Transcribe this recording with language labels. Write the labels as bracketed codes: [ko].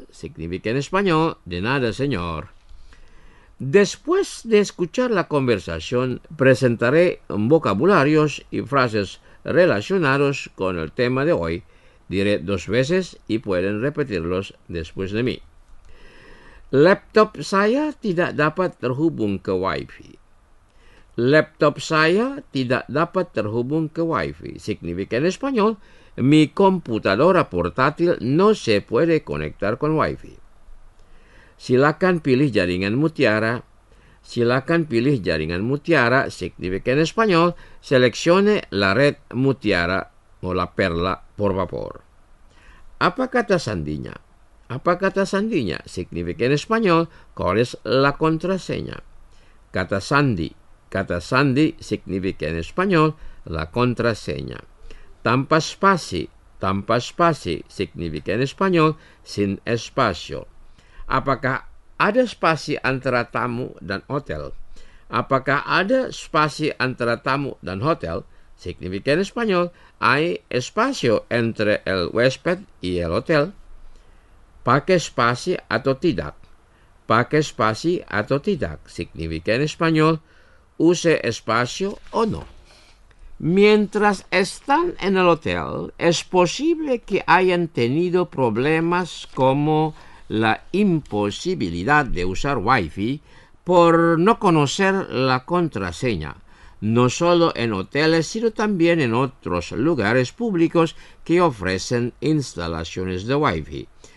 [es] Significa en español, de nada, señor. Después de escuchar la conversación, presentaré vocabularios y frases relacionados con el tema de hoy. Diré dos veces y pueden repetirlos después de mí. [id] Laptop saya tidak dapat terhubung ke Wi-Fi. Laptop saya tidak dapat terhubung ke Wi-Fi. [es] Significa en español, mi computadora portátil no se puede conectar con Wi-Fi. [id] Silakan pilih jaringan mutiara. Silakan pilih jaringan mutiara. [es] Significa en español, seleccione la red mutiara o la perla, por favor. [id] Apa kata sandinya? Apa kata sandinya? [es] Significa en español, ¿cuál es la contraseña? [id] Kata sandi. Kata sandi [es] significa en español, la contraseña. [id] Tanpa espasi. Tanpa espasi [es] significa en español, sin espacio. [id] Apakah ada spasi antara tamu dan hotel? Apakah ada spasi antara tamu dan hotel? [es] Significa en español, hay espacio entre el huésped y el hotel. [id] Pakai spasi atau tidak? Pakai spasi atau tidak? [es] Significa en español, use espacio o no. Mientras están en el hotel, es posible que hayan tenido problemas como la imposibilidad de usar Wi-Fi por no conocer la contraseña, no solo en hoteles, sino también en otros lugares públicos que ofrecen instalaciones de Wi-Fi.